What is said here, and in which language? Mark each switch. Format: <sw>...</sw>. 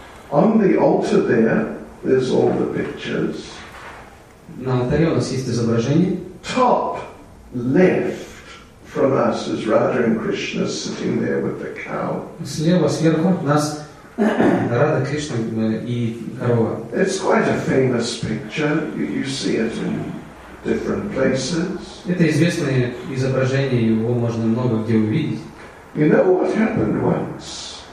<en>On the altar there, there's all the pictures.</en> <ru>На алтаре у нас есть изображение.</ru> <en>Top left from us is Radha and Krishna sitting there with the cow.</en> <ru>Слева сверху у нас Радха, Кришна и корова.</ru> <en>It's quite a famous picture. You see it in different places.</en> <ru>Это известное изображение, его можно много где увидеть.</ru> <en>You know what happened once?</en>